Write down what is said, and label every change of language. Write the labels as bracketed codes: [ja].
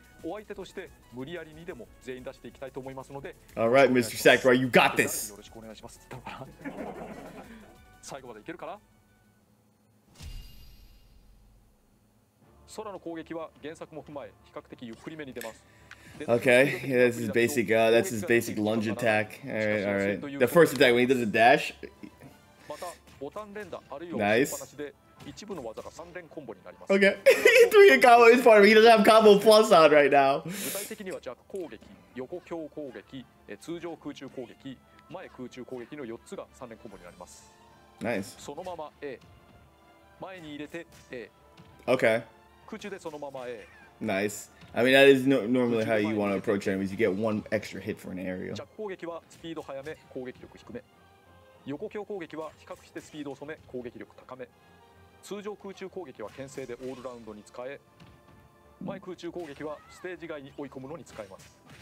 [ja] お相手として無理やりにでも全員出していきたいと思いますので、 [en] Alright, Mr. Sakurai, you got this! [ja] よろしくお願いします。最後までいけるかな。空の攻撃は原作も踏まえ比較的ゆっくりめに出ます。 [en] Okay, yeah, that's his basic, that's his basic lunge attack. Alright, alright. The first attack when he does a dash. [ja] またボタン連打あるいは押しっぱなしで一部の技が三連コンボになります。 [en] Okay, three in combo is part of it. He doesn't have combo plus on right now. [ja] 具体的には弱攻撃、横強攻撃、通常空中攻撃、前空中攻撃の4つが三連コンボになります。 [en] Nice. [ja] そのまま A。前に入れて A。 [en] Okay. [ja] 空中でそのまま A。 [en] Nice. I mean, that is normally how you want to approach enemies. You get one extra hit for an aerial. [ja] 弱攻撃はスピード速め、攻撃力低め。横強攻撃は比較してスピード遅め、攻撃力高め。通常空中攻撃は牽制でオールラウンドに使え、前空中攻撃はステージ外に追い込むのに使えます。